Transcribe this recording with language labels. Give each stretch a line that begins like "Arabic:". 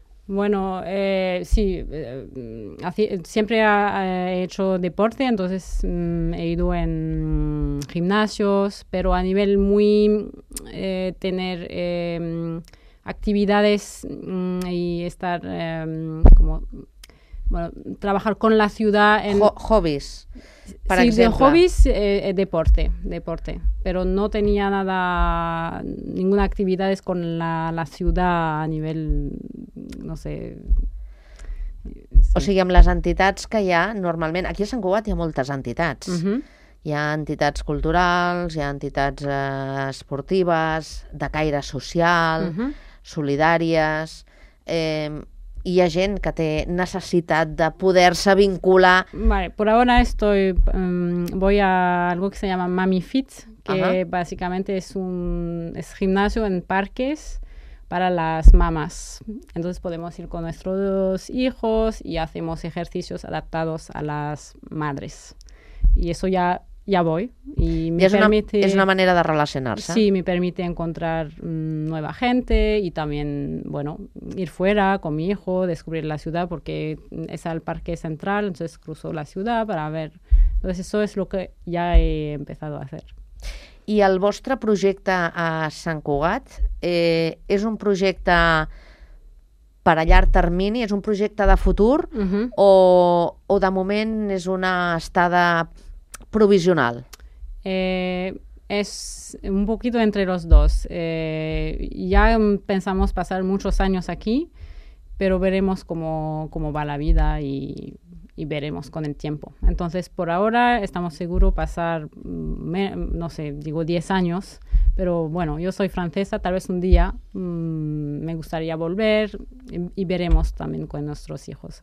Spanish: Bueno, sí, siempre he hecho deporte, entonces he ido en gimnasios, pero a nivel muy tener actividades y estar como... Bueno, trabajar con la ciudad en... Hobbies, para sí, ejemplo. De hobbies, deporte. Pero no tenía nada, ninguna actividad con la ciudad a nivel, no sé... Sí.
Catalan: O sigui, amb les entitats que hi ha, normalment... Aquí a Sant Cugat hi ha moltes entitats. Uh-huh. Hi ha entitats culturals, hi ha entitats esportives, de caire social, uh-huh. solidàries...
Spanish: Y hay gente que tiene necesidad de poderse vincular. Vale, por ahora estoy voy a algo que se llama Mami Fit, que ajá. básicamente es gimnasio en parques para las mamás. Entonces podemos ir con nuestros hijos y hacemos ejercicios adaptados a las madres. Y eso ya voy. Y me es permite... Es una manera de relacionarse. Sí, me permite encontrar nueva gente y también, bueno, ir fuera con mi hijo, descubrir la ciudad, porque es al parque central, entonces cruzo la ciudad para ver. Entonces eso es lo que ya he empezado a hacer.
Catalan: ¿Y el vostre projecte a Sant Cugat és un projecte per a llarg termini? És un projecte de futur? Uh-huh. O de moment és una estada... provisional?
Spanish: Es un poquito entre los dos. Ya pensamos pasar muchos años aquí, pero veremos cómo va la vida y veremos con el tiempo. Entonces, por ahora estamos seguros pasar, no sé, digo 10 años, pero bueno, yo soy francesa, tal vez un día me gustaría volver y veremos también con nuestros hijos.